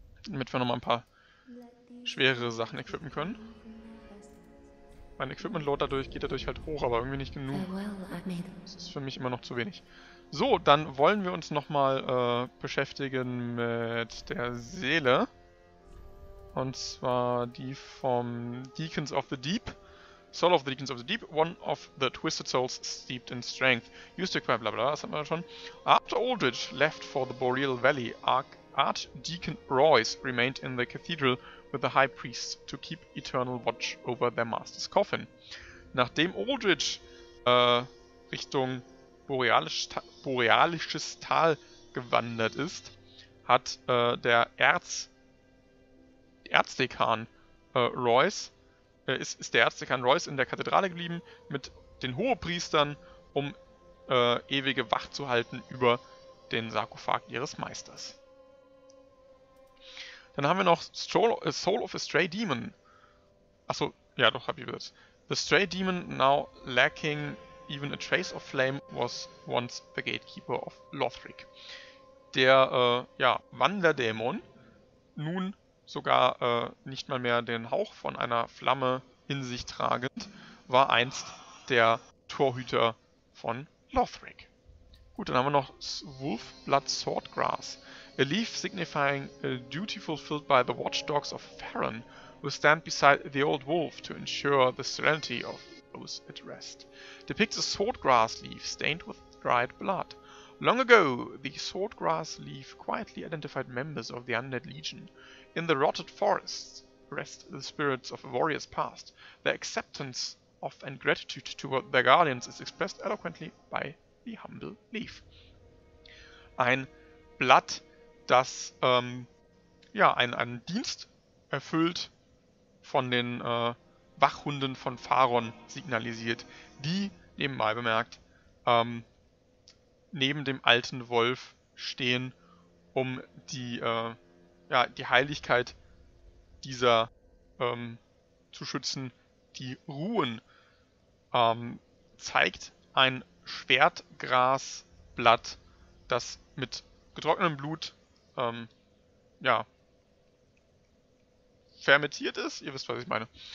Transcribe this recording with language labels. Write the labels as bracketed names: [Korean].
[German] Damit wir nochmal ein paar schwerere Sachen equippen können. Mein Equipment Load geht dadurch halt hoch, aber irgendwie nicht genug. Das ist für mich immer noch zu wenig. So, dann wollen wir uns nochmal beschäftigen mit der Seele. Und zwar die vom Deacons of the Deep. [English] Soul of the Deacons of the Deep, one of the twisted souls steeped in strength. Used to equip, bla bla, [German] das hatten wir schon. [English] After Aldrich left for the Boreal Valley, Archdeacon Royce remained in the cathedral with the High Priest to keep eternal watch over their master's coffin. [German] Nachdem Aldrich Richtung borealisches Tal gewandert ist, hat der Erzdekan Royce ist der Erzdekan Royce in der Kathedrale geblieben mit den Hohepriestern, um ewige Wacht zu halten über den Sarkophag ihres Meisters. Dann haben wir noch Soul of a Stray Demon. Achso, ja, doch, hab ich gesagt. [English] The Stray Demon, now lacking even a trace of flame, was once the Gatekeeper of Lothric. [German] Der, ja, Wanderdämon, nun sogar nicht mal mehr den Hauch von einer Flamme in sich tragend, war einst der Torhüter von Lothric. Gut, dann haben wir noch Wolfblood Swordgrass. [English] A leaf signifying a duty fulfilled by the watchdogs of Farron will stand beside the old wolf to ensure the serenity of those at rest. Depicts a swordgrass leaf stained with dried blood. Long ago, the swordgrass leaf quietly identified members of the Undead Legion. In the rotted forests rest the spirits of warriors past. Their acceptance of and gratitude toward their guardians is expressed eloquently by the humble leaf. [German] Ein Blatt, das ja einen Dienst erfüllt, von den Wachhunden von Faron signalisiert, die, nebenbei bemerkt, neben dem alten Wolf stehen, um die, ja, die Heiligkeit dieser zu schützen, die ruhen, zeigt ein Schwertgrasblatt, das mit getrocknetem Blut ja, fermentiert ist. Ihr wisst, was ich meine.